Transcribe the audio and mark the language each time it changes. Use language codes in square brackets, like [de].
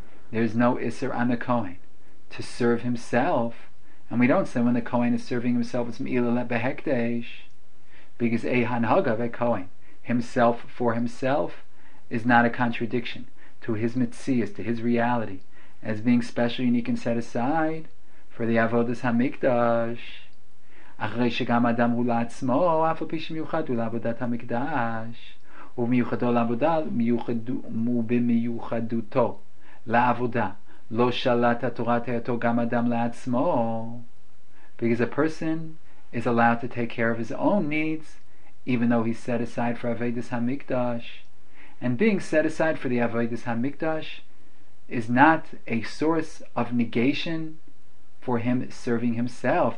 [en] there's no iser on the Kohen to serve himself, and we don't say when the Kohen is serving himself, it's me'ila lebehekdesh, because a hanhaga ve Kohen, himself for himself, is not a contradiction to his mitzias, to his reality, as being special, unique, and set aside for the avodas hamikdash. [he] אחרי שגם אדם הוא לעצמו, אף על פי שמיוחד הוא לעבודת המקדש, ומיוחדו לעבודה, ובמיוחדותו לעבודה, לא שלט התורת היותו גם אדם לעצמו. [en] Because a person is allowed to take care of his own needs, even though he's set aside for Avedis HaMikdash. And being set aside for the Avedis HaMikdash is not a source of negation for him serving himself.